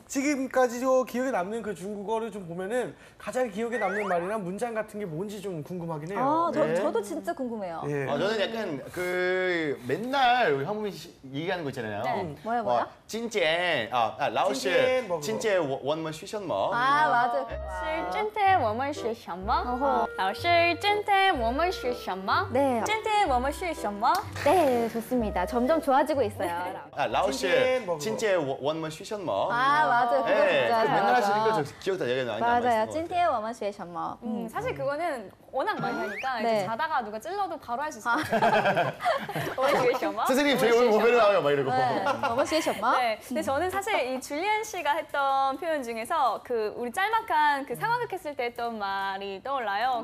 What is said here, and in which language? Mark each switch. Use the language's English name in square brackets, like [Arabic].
[Korean] 지금까지도 기억에 남는 그 중국어를 좀 보면은 가장 기억에 남는 말이나 문장 같은 게 뭔지 좀 궁금하긴 해요. 아, 저, 네. 저도 진짜 궁금해요. 네. 아, 저는 약간 그 맨날 우리 현무민 씨 얘기하는 거 있잖아요. 네. 뭐야 뭐야? 진짜 아, 아 라오시 진짜 원만 쉬셨 뭐. 아, 맞아. 진짜 원만 쉬셨 뭐. [Chinese] 라오시 今天我们学什么? [Korean] 네. [Chinese] 今天我们学什么? [Korean] 네, 좋습니다. 점점 좋아지고 있어요. [Chinese] 아, 라오씨, 今天我们学什么? [Korean] 아, 맞아. 그거 진짜 잘 맨날 하시는 거 기억 다 얘기해 놔요. 맞아요. [Chinese] 今天我们学什么? [Korean] 사실 그거는 워낙 많이 하니까 네. 이제 자다가 누가 찔러도 바로 할 수 있어요. [Chinese] 我们学什么? [Korean] 선생님, 저희 오늘 뭐 배를 나와요? 막 이러고. [Chinese] 我们学什么? [Korean] 네. 근데 저는 사실 이 줄리안 씨가 했던 표현 중에서 그 우리 짤막한 그 상황극 했을 때 했던 말이 떠올라요.